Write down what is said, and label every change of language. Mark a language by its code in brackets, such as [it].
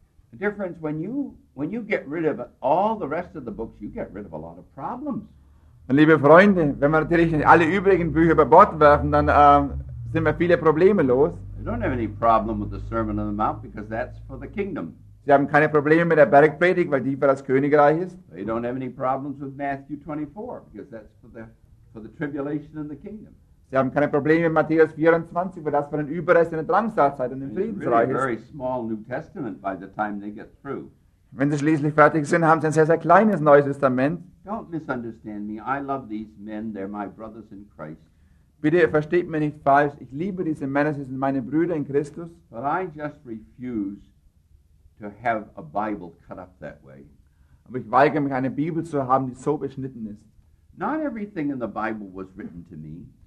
[en] The difference when you get rid of all the rest of the books, you get rid of a lot of problems. [de] Und liebe Freunde, wenn wir natürlich alle übrigen Bücher über Bord werfen, dann sind wir viele Probleme los. [en] You don't have any problem with the Sermon on the Mount because that's for the kingdom. [de] Sie haben keine Probleme mit der Bergpredigt, weil die für das Königreich ist. [en] They don't have any problems with Matthew 24 because that's for the tribulation and the kingdom. [de] Sie haben keine Probleme mit Matthäus 24, weil das für den Überrest in der Drangsalzeit und im Friedensreich ist. [en] Very small New Testament by the time they get through. [de] Wenn sie schließlich fertig sind, haben sie ein sehr, sehr kleines Neues Testament. [en] Don't misunderstand me. I love these men. They're my brothers in Christ. [de] Bitte versteht mich nicht falsch. Ich liebe diese Männer. Sie sind meine Brüder in Christus. [en] But I just refuse to have a Bible cut up that way. [de] Aber ich weigere mich, eine Bibel zu haben, die so beschnitten ist. [en] Not everything in the Bible was written to me.